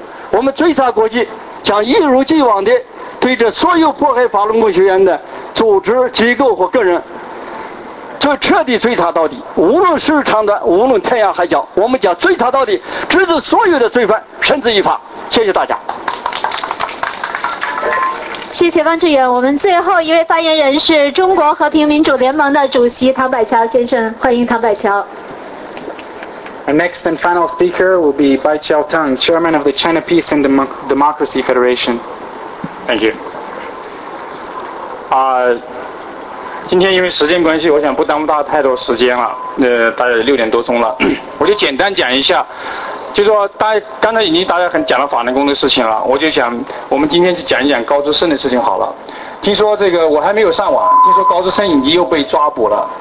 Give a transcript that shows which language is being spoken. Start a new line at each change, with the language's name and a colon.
Chinese: 我们追查国际将一如既往地对着所有迫害法轮功学员的组织、机构或个人，就彻底追查到底，无论时日长短，无论天涯海角，我们将追查到底，直至所有的罪犯绳之以法。谢谢大家。谢谢汪志远。我们最后一位发言人是中国和平民主联盟的主席唐百乔先生，欢迎唐百乔。
English: Our next and final speaker will be Bai Qiao Tang, Chairman of the China Peace and Democracy Federation. Thank you.
Chinese: 今天因为时间关系，我想不耽误大家太多时间了。大家6点多钟了，我就简单讲一下就说大家刚才已经大家很讲了法轮功的事情了，我就想我们今天去讲一讲高志胜的事情好了。听说这个我还没有上网，听说高志胜已经又被抓捕了。